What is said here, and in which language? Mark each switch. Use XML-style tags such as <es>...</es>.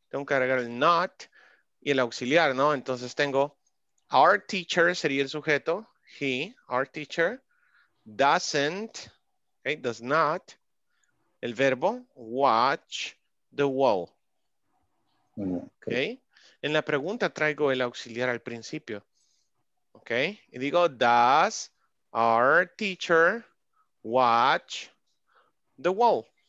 <es>Tengo que agregar el not y el auxiliar, ¿no? Entonces tengo</es> <en>our teacher</en> <es>sería el sujeto.</es> <en>He, our teacher, doesn't, okay, does not,</en> <es>el verbo,</es> <en>watch the wall. Okay.</en> <es>En la pregunta traigo el auxiliar al principio.</es> <en>Okay.</en> <es>Y digo,</es> <en>does our teacher watch the wall?</en>